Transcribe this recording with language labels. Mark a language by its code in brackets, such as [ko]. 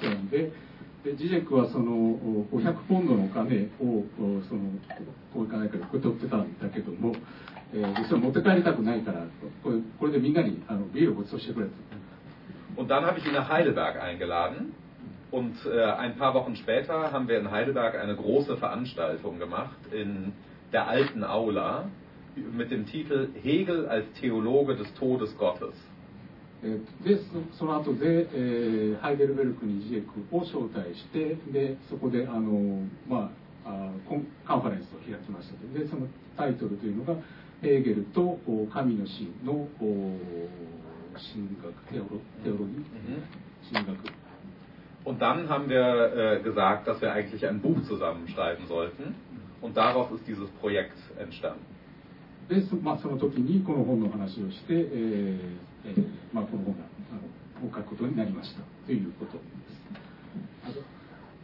[ja] でジジェクはその500ポンドのお金をそのこういかないから受け取ってたんだけども、実は持って帰りたくないからこれでみんなにビールをごちそうしてくれと。 [de] Und dann habe ich ihn nach Heidelberg eingeladen und ein paar Wochen später haben wir in Heidelberg eine große Veranstaltung gemacht in der alten Aula mit dem Titel Hegel als Theologe des Todes Gottes. [ja] でその後で、ハイデルベルクにジジェクを招待してでそこでまあ、カンファレンスを開きました。でそのタイトルというのがヘーゲルと神の神の神学テオロギー神学。 [de] Und dann haben wir gesagt, dass wir eigentlich ein Buch zusammenschreiben sollten. Und daraus ist dieses Projekt entstanden. [ja] でそ、まあ、その時にこの本の話をして、まあ、この本を書くことになりましたということです。